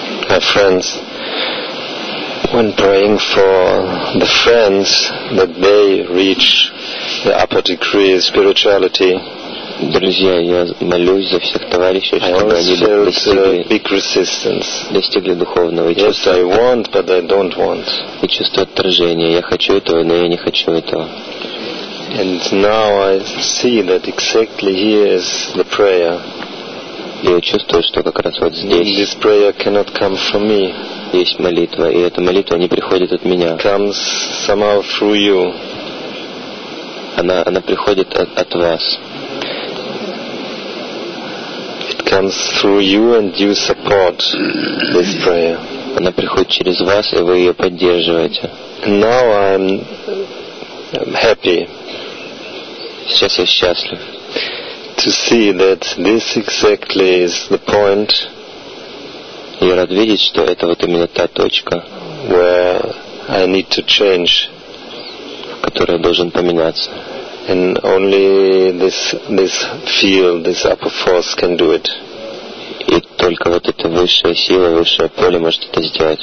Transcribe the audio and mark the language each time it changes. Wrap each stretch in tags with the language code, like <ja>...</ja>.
<en>My friends, when praying for the friends that they reach the upper degree of spirituality,</en> <ru>друзья, я молюсь за всех товарищей, чтобы они достигли духовного.</ru> <en>Yes, I want, but I don't want.</en> <ru>И чувство отторжения. Я хочу этого, но я не хочу этого.</ru> <en>And now I see that exactly here is the prayer.</en> <ru>Я чувствую, что как раз вот здесь.</ru> <en>This prayer cannot come from me.</en> <ru>Есть молитва, и эта молитва не приходит от меня.</ru> <en>Comes somehow through you.</en> <ru>Она приходит от вас.</ru> <en>Comes through you and you support this prayer.</en> <ru>Она приходит через вас, и вы ее поддерживаете.</ru> <en>Now I'm happy.</en> <ru>Сейчас я счастлив.</ru> <en>To see that this exactly is the point.</en> <ru>Я рад видеть, что это вот именно та точка,</ru> <en>where I need to change,</en> <ru>которая должен поменяться.</ru> <en>And only this field, this upper force can do it.</en> <ru>И только вот эта высшая сила, высшее поле может это сделать.</ru>